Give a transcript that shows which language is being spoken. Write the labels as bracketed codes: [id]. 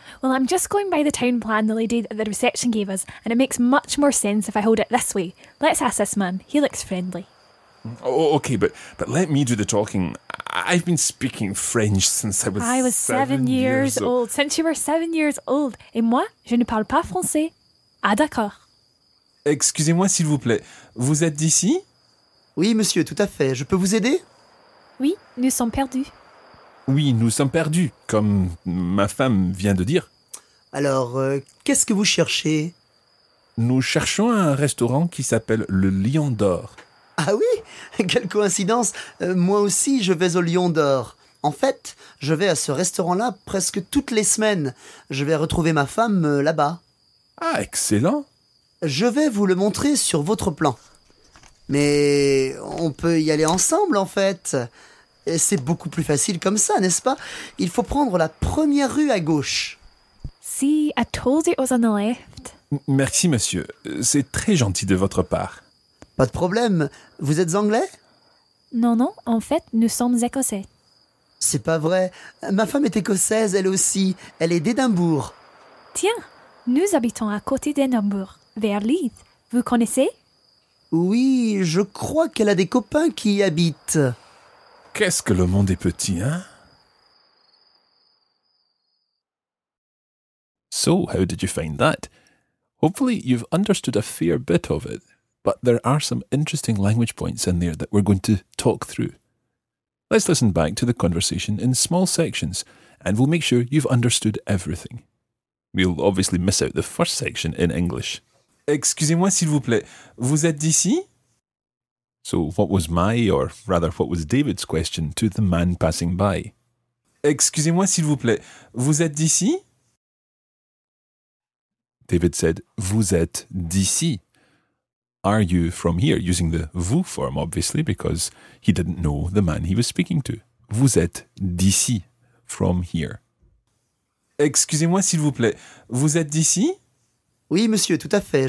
[en] Well, I'm just going by the town plan the lady at the reception gave us, and it makes much more sense if I hold it this way. Let's ask this man. He looks friendly. Oh, OK, but let me do the talking. I've been speaking French since I was seven years old. Since you were 7 years old. [fr] Et moi, je ne parle pas français. Ah, d'accord. Excusez-moi, s'il vous plaît. Vous êtes d'ici? Oui, monsieur, tout à fait. Je peux vous aider? Oui, nous sommes perdus. Oui, nous sommes perdus, comme ma femme vient de dire. Alors, qu'est-ce que vous cherchez? Nous cherchons un restaurant qui s'appelle Le Lion d'Or. Ah oui? Quelle coïncidence! Moi aussi, je vais au Lion d'Or. En fait, je vais à ce restaurant-là presque toutes les semaines. Je vais retrouver ma femme là-bas. Ah, excellent! Je vais vous le montrer sur votre plan. Mais on peut y aller ensemble, en fait. C'est beaucoup plus facile comme ça, n'est-ce pas? Il faut prendre la première rue à gauche. [en] See, I told you it was on the left. [fr] Merci, monsieur. C'est très gentil de votre part. Pas de problème. Vous êtes anglais? Non, en fait, nous sommes écossais. C'est pas vrai. Ma femme est écossaise, elle aussi. Elle est d'Édimbourg. Tiens, nous habitons à côté d'Édimbourg, vers Leeds. Vous connaissez? Oui, je crois qu'elle a des copains qui y habitent. Qu'est-ce que le monde est petit, hein? [en] So, how did you find that? Hopefully, you've understood a fair bit of it, but there are some interesting language points in there that we're going to talk through. Let's listen back to the conversation in small sections, and we'll make sure you've understood everything. We'll obviously miss out the first section in English. [fr] Excusez-moi, s'il vous plaît. Vous êtes d'ici? [en] So, what was my, or rather, what was David's question to the man passing by? [fr] Excusez-moi, s'il vous plaît. Vous êtes d'ici? [en] David said, [fr] vous êtes d'ici. [en] Are you from here? Using the vous form, obviously, because he didn't know the man he was speaking to. [fr] Vous êtes d'ici, [en] from here. [fr] Excusez-moi, s'il vous plaît. Vous êtes d'ici? Oui, monsieur, tout à fait.